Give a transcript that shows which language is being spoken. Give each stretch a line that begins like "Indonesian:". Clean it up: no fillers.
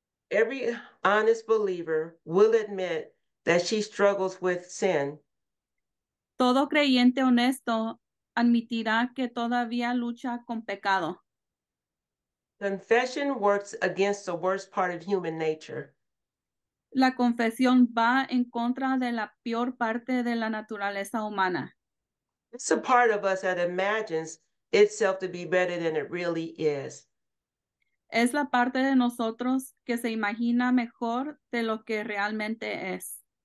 English: Every honest believer will admit that she struggles with sin.
Spanish: Todo creyente honesto admitirá que todavía lucha con pecado.
English: Confession works against the worst part of human nature.
Spanish: La confesión va en contra de la peor parte de la naturaleza humana.
English: It's a part of us that imagines itself to be better than it really is.
Spanish: Es la parte de nosotros que se imagina mejor de lo que realmente es.